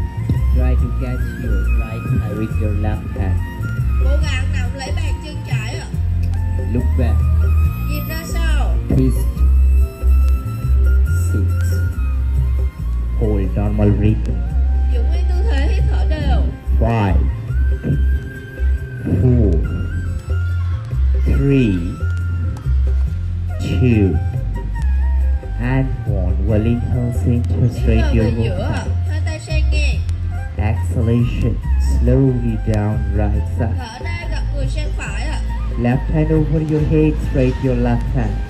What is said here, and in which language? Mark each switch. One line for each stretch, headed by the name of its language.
English: Try to catch your right hand with your left hand.
Vietnamese: Cố gắng nắm lấy bàn chân trái ạ.
English: Look back.
Vietnamese: Nhìn ra sau.
English: Twist. Six. Hold normal rhythm.
Vietnamese: Giữ nguyên tư thế, hít thở đều.
English: Five. Four. Three. Two. And one. Well, inhale, center, straight your hips.
Vietnamese: Hai tay sang ngang.
English: Exhalation. Slowly down right side.
Vietnamese: Thở ra gặp người sang phải ạ.
English: Left hand over your head, straight your left hand.